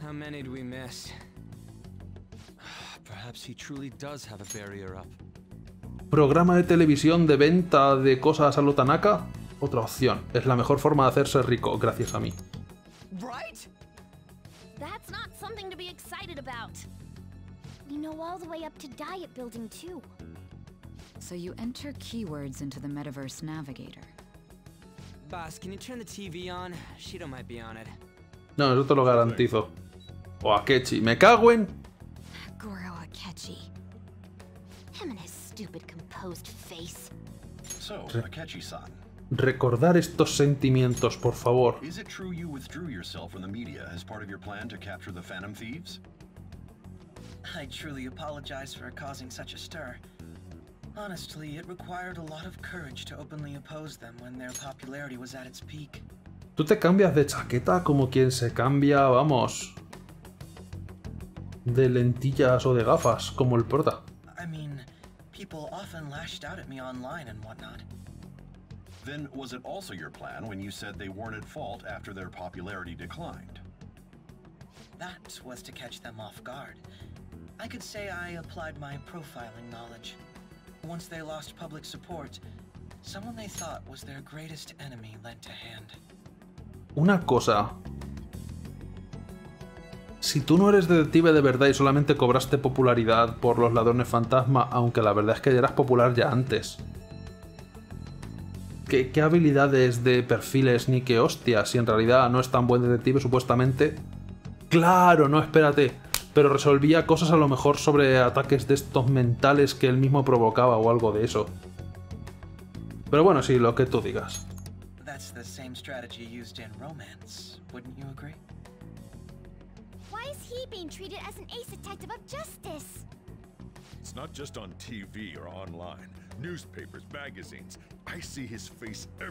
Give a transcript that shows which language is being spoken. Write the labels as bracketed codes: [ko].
[en] How many did we miss? Perhaps he truly does have a barrier up. [es] ¿Programa de televisión de venta de cosas a lo Tanaka? Otra opción. Es la mejor forma de hacerse rico, gracias a mí. [en] Right? That's not something to be excited about. We know all the way up to Diet Building too. So you enter keywords into the Metaverse Navigator. Boss, can you turn the TV on? Shido might be on it. [es] No, eso te lo garantizo. O Akechi, me cago en. [en] Goro Akechi. Him and his stupid composed face. So, Akechi-san. [es] Recordar estos sentimientos, por favor. [en] Is it true you withdrew yourself from the media as part of your plan to capture the Phantom Thieves? I truly apologize for causing such a stir. Honestly, it required a lot of courage to openly oppose them when their popularity was at its peak. [es] ¿Tú te cambias de chaqueta como quien se cambia, vamos, de lentillas o de gafas, como el prota? [en] I mean, people often lashed out at me online and whatnot. Then was it also your plan when you said they weren't at fault after their popularity declined? That was to catch them off guard. I could say I applied my profiling knowledge. Once they lost public support, someone they thought was their greatest enemy lent a hand. [es] Una cosa. Si tú no eres detective de verdad y solamente cobraste popularidad por los ladrones fantasma, aunque la verdad es que ya eras popular ya antes. ¿Qué habilidades de perfiles ni qué hostias? Si en realidad no es tan buen detective, supuestamente. ¡Claro! No, espérate. Pero resolvía cosas a lo mejor sobre ataques de estos mentales que él mismo provocaba o algo de eso. Pero bueno, sí, lo que tú digas. [en] That's the same strategy used in romance, wouldn't you agree? Why is he being treated as an ace detective of justice? It's not just on TV or online, newspapers, magazines. I see his face everywhere.